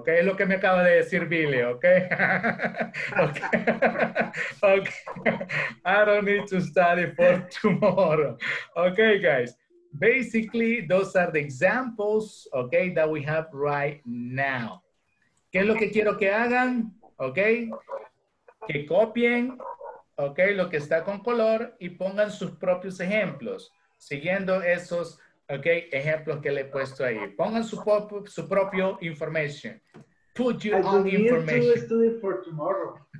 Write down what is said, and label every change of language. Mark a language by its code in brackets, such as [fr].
[es] Okay, es lo que me acaba de decir Billy, okay? Okay. [en] Okay. I don't need to study for tomorrow. Okay, guys. Basically, those are the examples, okay, that we have right now. [es] ¿Qué es lo que quiero que hagan? Okay. Que copien, okay, lo que está con color y pongan sus propios ejemplos, siguiendo esos, okay, ejemplos que le he puesto ahí. Pongan su propio [en] information. Put your own information. I don't need to study for tomorrow.